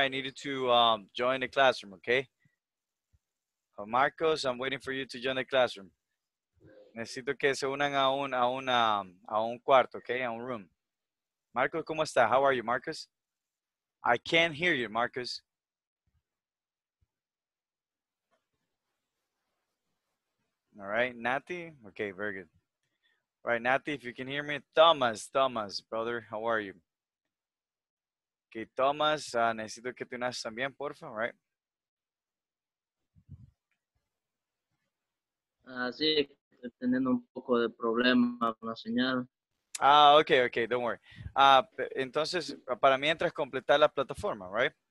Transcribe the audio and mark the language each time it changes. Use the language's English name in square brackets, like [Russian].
[English] I need you to join the classroom, okay? Marcos, I'm waiting for you to join the classroom. [Spanish] Necesito que se unan a un cuarto, okay? A un [English] room. Marcos, [Spanish] ¿cómo está? [English] How are you, Marcos? I can't hear you, Marcos. All right, Nati, okay, very good. All right, Nati, if you can hear me, Thomas, brother, how are you? [Spanish] Okay, Thomas, necesito que te unas también, por favor, right? Sí, estoy teniendo un poco de problema con la señal. Ah, [English] okay, don't worry. [Spanish] Entonces, para mientras completar la plataforma, right?